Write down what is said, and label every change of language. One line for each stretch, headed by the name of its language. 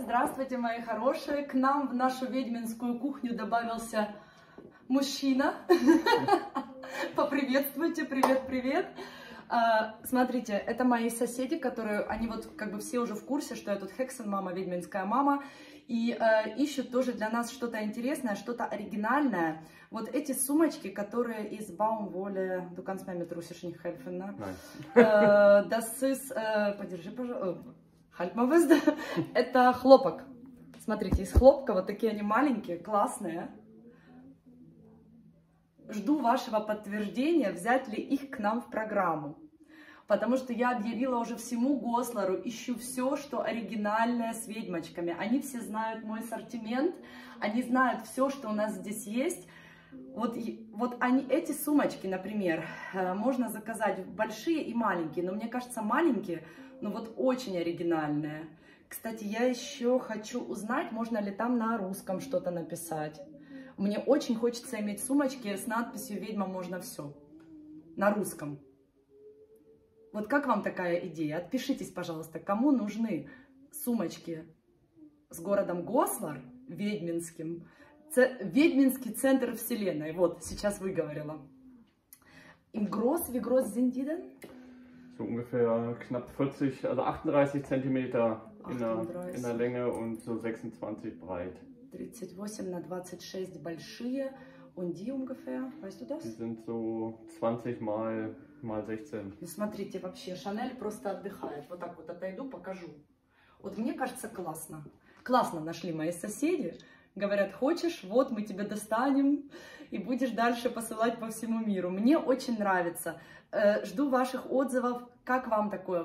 Russian: Здравствуйте, мои хорошие! К нам в нашу ведьминскую кухню добавился мужчина. Поприветствуйте! Привет-привет! Смотрите, это мои соседи, которые, они вот как бы все уже в курсе, что я тут Хексен-мама, ведьминская мама, и ищут тоже для нас что-то интересное, что-то оригинальное. Вот эти сумочки, которые из Баумволе,
German: du kannst mir mit russischen helfen, ne? Das ist,
Russian: подержи, пожалуйста, это хлопок. Смотрите, из хлопка, вот такие они маленькие, классные. Жду вашего подтверждения, взять ли их к нам в программу. Потому что я объявила уже всему Гослару, ищу все, что оригинальное с ведьмочками. Они все знают мой ассортимент, они знают все, что у нас здесь есть. Вот они, эти сумочки, например, можно заказать большие и маленькие, но мне кажется, маленькие, но вот очень оригинальные. Кстати, я еще хочу узнать, можно ли там на русском что-то написать. Мне очень хочется иметь сумочки с надписью «Ведьма, можно все» на русском. Вот как вам такая идея? Отпишитесь, пожалуйста, кому нужны сумочки с городом Гослар, ведьминским, ведьминский центр вселенной. Вот, сейчас выговорила.
German: Im groß, wie groß sind die denn? So ungefähr knapp 40, also 38 Zentimeter in der Länge und so 26 breit.
Russian: 38 на 26 большие.
German: Und die ungefähr, weißt du das? Die sind so 20 mal, mal 16.
Russian: Ну, смотрите, вообще, Шанель просто отдыхает. Вот так вот отойду, покажу. Вот мне кажется, классно. Классно нашли мои соседи. Говорят, хочешь, вот мы тебя достанем. И будешь дальше посылать по всему миру. Мне очень нравится. Жду ваших отзывов. Как вам такое?